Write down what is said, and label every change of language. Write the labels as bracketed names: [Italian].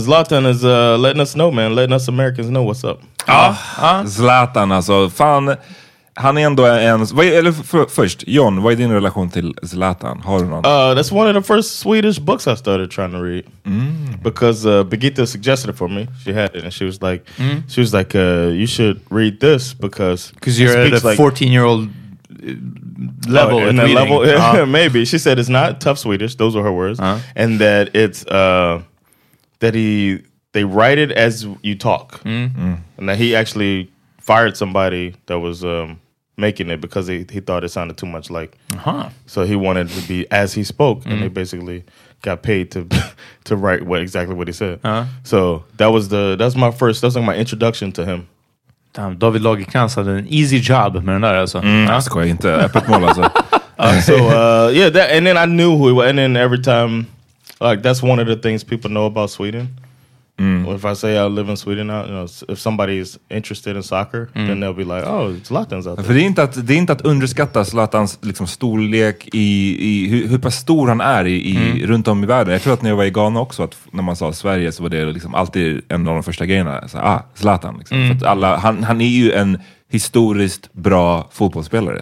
[English] Zlatan is letting us know, man. Letting us Americans know what's up. [Swedish] Ja, Zlatan alltså. Fan... Han är ändå en... Först, John, vad är din relation till Zlatan? Har du någon? [English] That's one of the first Swedish books I started trying to read. Mm. Because Birgitta suggested it for me. She had it and she was like, she was like, you should read this because... Because you're at a like, 14-year-old level in that level. Maybe. She said it's not tough Swedish. Those are her words. And that it's... They write it as you talk. And that he actually... fired somebody that was making it because he thought it sounded too much like. Uh-huh. So he wanted to be as he spoke, and they basically got paid to to write what he said. So that's my first. That's like my introduction to him. Damn, David Lagercrantz had an easy job, man. That also. That's quite into epic mall. So yeah, that, and then I knew who he was, and then every time, like that's one of the things people know about Sweden. Mm. If I say I live in Sweden, you know, if somebody is interested in soccer, then they'll be like, oh, Zlatan's out there. [Swedish] För det är inte att underskatta Zlatans liksom storlek i hur pass stor han är runt om i världen. Jag tror att när jag var i Ghana också, att när man sa Sverige så var det liksom alltid en av de första grejerna. Så, Zlatan. Liksom. Mm. För att han är ju en historiskt bra fotbollsspelare.